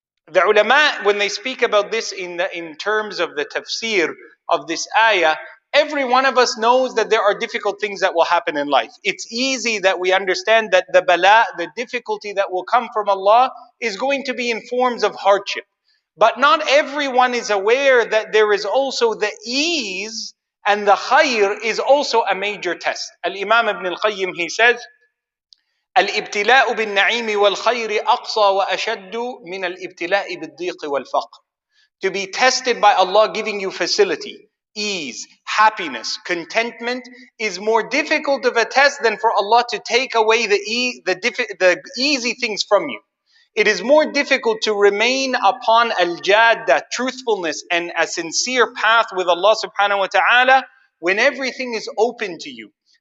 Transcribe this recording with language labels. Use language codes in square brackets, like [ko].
[en] The ulama, when they speak about this in terms of the tafsir of this ayah, every one of us knows that there are difficult things that will happen in life. It's easy that we understand that the bala, the difficulty that will come from Allah, is going to be in forms of hardship. But not everyone is aware that there is also the ease, and the khayr is also a major test. [ar] Al-Imam Ibn al-Qayyim, he says, الْإِبْتِلَاءُ بِالنَّعِيمِ وَالْخَيْرِ أَقْصَى وَأَشَدُّ مِنَ الْإِبْتِلَاءِ بِالضِّيقِ وَالْفَقْرِ. [en] To be tested by Allah giving you facility, ease, happiness, contentment is more difficult of a test than for Allah to take away the easy things from you. It is more difficult to remain upon al-jadda, truthfulness, and a sincere path with Allah subhanahu wa ta'ala when everything is open to you.